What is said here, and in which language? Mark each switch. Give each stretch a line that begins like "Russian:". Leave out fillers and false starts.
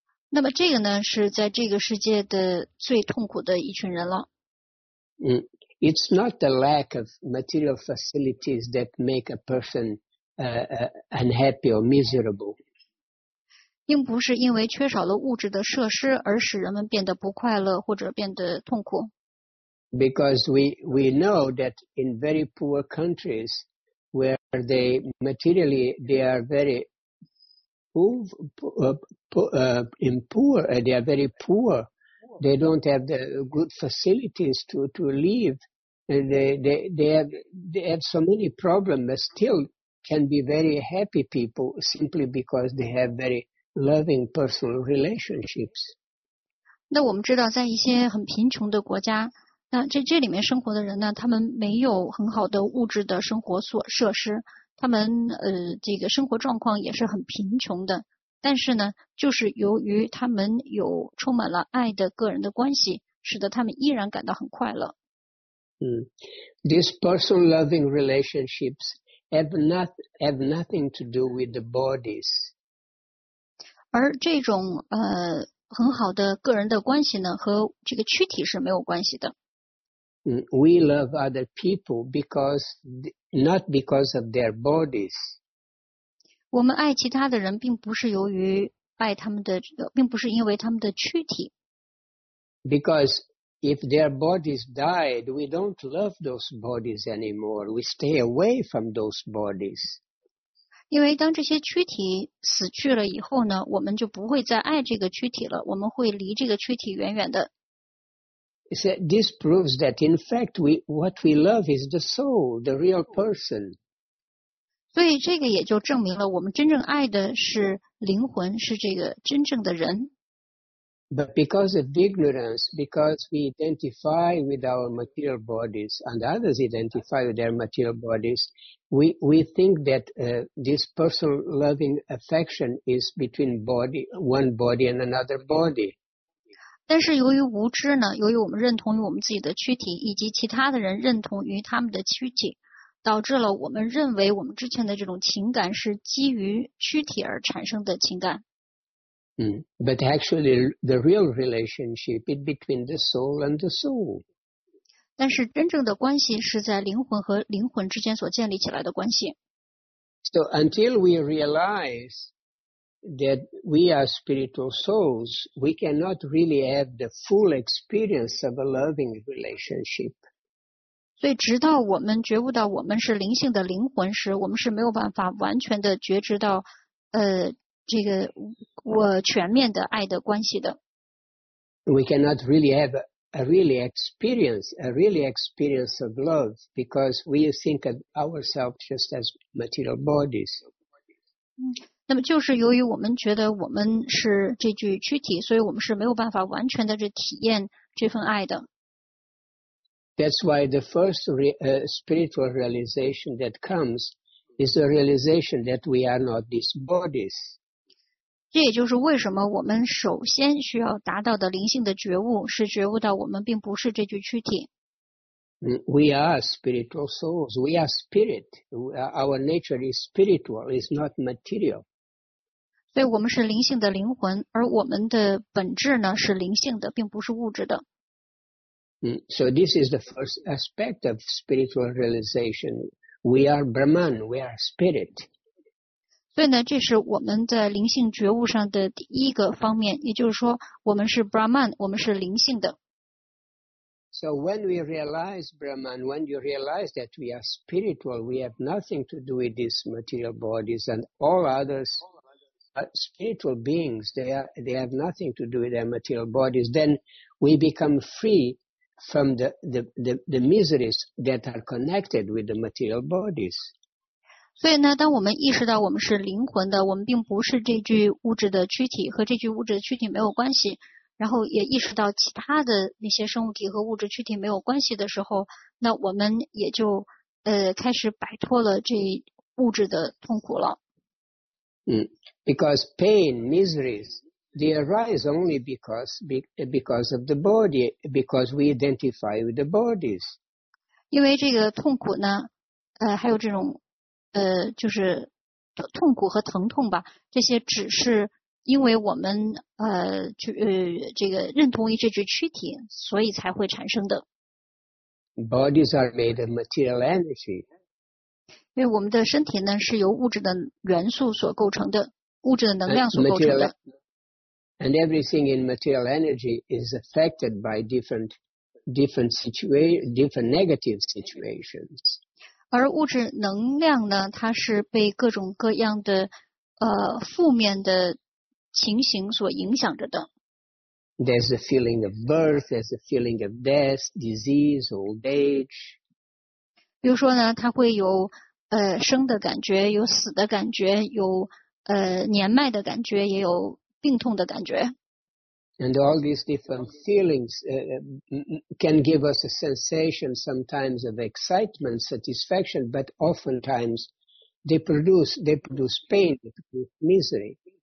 Chinese: 那么这个呢，是在这个世界的最痛苦的一群人了。
English: It's not the lack of material facilities that make a person unhappy or miserable.
Chinese: 并不是因为缺少了物质的设施而使人们变得不快乐或者变得痛苦。
English: Because we know that in very poor countries,Where they materially they are very poor, they are very poor. They don't have the good facilities to live. They have so many problems, but still can be very happy people simply because they have very loving personal relationships.
Chinese: 那我们知道，在一些很贫穷的国家。那这里面生活的人呢，他们没有很好的物质的生活设施，他们这个生活状况也是很贫穷的，但是呢，就是由于他们有充满了爱的个人的关系，使得他们依然感到很快乐。
English: These personal loving relationships have nothing to do with the bodies.
Chinese: 而这种很好的个人的关系呢，和这个躯体是没有关系的。
English: We love other people not because of their bodies.
Chinese: 我们爱其他的人，并不是由于爱他们的，并不是因为他们的躯体。
English: Because if their bodies died, we don't love those bodies anymore. We stay away from those bodies.
Chinese: 因为当这些躯体死去了以后呢，我们就不会再爱这个躯体了，我们会离这个躯体远远的。
English: This proves that in fact what we love is the soul, the real person.
Chinese: 所以这个也就证明了我们真正爱的是灵魂，是这个真正的人。
English: But because of ignorance, because we identify with our material bodies and others identify with their material bodies, we think that this personal loving affection is between one body and another body.
Chinese: 但是由于无知呢，由于我们认同于我们自己的躯体，以及其他的人认同于他们的躯体，导致了我们认为我们之前的这种情感是基于躯体而产生的情感。
English: But actually, the real relationship is between the soul and the soul.
Chinese: 但是真正的关系是在灵魂和灵魂之间所建立起来的关系。
English: So until we realize that we are spiritual souls, we cannot really have the full experience of a loving relationship.
Chinese: 所以直到我们觉悟到我们是灵性的灵魂时，我们是没有办法完全的觉知到这个我全面的爱的关系的。
English: We cannot really have a really experience of love because we think of ourselves just as material bodies.
Chinese: 那么就是由于我们觉得我们是这具躯体，所以我们是没有办法完全的去体验这份爱的。
English: That's why the first spiritual realization that comes is a realization that we are not these bodies.
Chinese: 这也就是为什么我们首先需要达到的灵性的觉悟是觉悟到我们并不是这具躯体。
English: We are spiritual souls. We are spirit. Our nature is spiritual. It's not material.
Chinese: 所以我们是灵性的灵魂，而我们的本质呢是灵性的，并不是物质的。
English: So this is the first aspect of spiritual realization. We are Brahman. We are spirit.
Chinese: 所以呢，这是我们在灵性觉悟上的第一个方面，也就是说，我们是 Brahman， 我们是灵性的。
English: So when we realize Brahman, when you realize that we are spiritual, we have nothing to do with these material bodies, and all others spiritual beings, they have nothing to do with their material bodies. Then we become free from the miseries that are connected with the material bodies.
Chinese: 所以呢，当我们意识到我们是灵魂的，我们并不是这具物质的躯体，和这具物质的躯体没有关系，然后也意识到其他的那些生物体和物质躯体没有关系的时候，那我们也就开始摆脱了这物质的痛苦了。
English: Because pain, miseries, they arise only because of the body, because we identify with the bodies.
Chinese: 因为这个痛苦呢，还有这种就是痛苦和疼痛吧，这些只是因为我们这个认同于这具躯体，所以才会产生的。
English: Bodies are made of material energy.
Chinese: 因为我们的身体呢是由物质的元素所构成的，物质的能量所构成的。
English: And everything in material energy is affected by different negative situations.
Chinese: 而物质能量呢，它是被各种各样的负面的情形所影响着的。
English: There's a feeling of birth, there's a feeling of death, disease, old age.
Chinese: 比如说呢，它会有生的感觉，有死的感觉，有年迈的感觉，也有病痛的感觉。
English: And all these different feelings can give us a sensation sometimes of excitement, satisfaction, but oftentimes they produce pain, they produce misery.